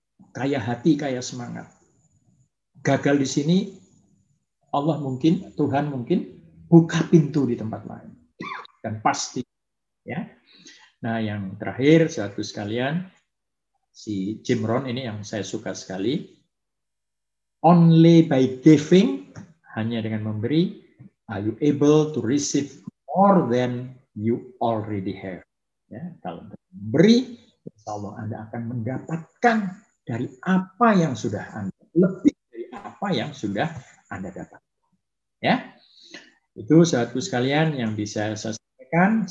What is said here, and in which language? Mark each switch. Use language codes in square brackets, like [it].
[id] Kaya hati, kaya semangat. Gagal di sini, Allah mungkin, Tuhan mungkin buka pintu di tempat lain. Dan pasti. Ya. Nah, yang terakhir, satu sekalian, si Jim Rohn ini yang saya suka sekali. [en] Only by giving, [id] hanya dengan memberi, [en] are you able to receive more than you already have. [id] Ya, kalau memberi, insya Allah Anda akan mendapatkan dari apa yang sudah Anda, lebih dari apa yang sudah Anda dapat. Ya, itu satu sekalian yang bisa saya sampaikan.